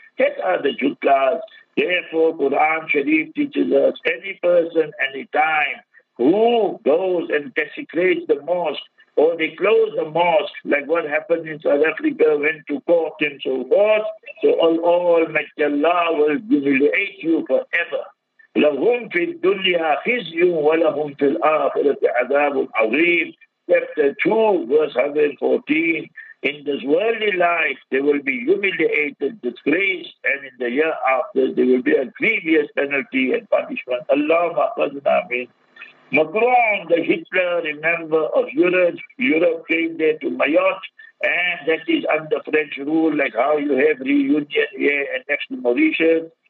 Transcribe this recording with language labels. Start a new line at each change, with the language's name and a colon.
English: That are the Jutlas. Therefore, Quran Sharif teaches us, any person, any time, who goes and desecrates the mosque, or they close the mosque, like what happened in South Africa, went to court and so forth, so Almighty Allah will humiliate you forever.
Arabic: لَهُمْ فِي الدُّنْيَا خِزْيٌ وَلَهُمْ فِي الْآخِرَةِ عَذَابٌ عَظِيمٌ
English: Chapter 2, verse 114. In this worldly life, they will be humiliated, disgraced, and in the year after, there will be a grievous penalty and punishment. Allahumma qadna amin. Macron, the Hitler, remember, of Europe came there to Mayotte, and that is under French rule, like how you have reunion here and next to Mauritius.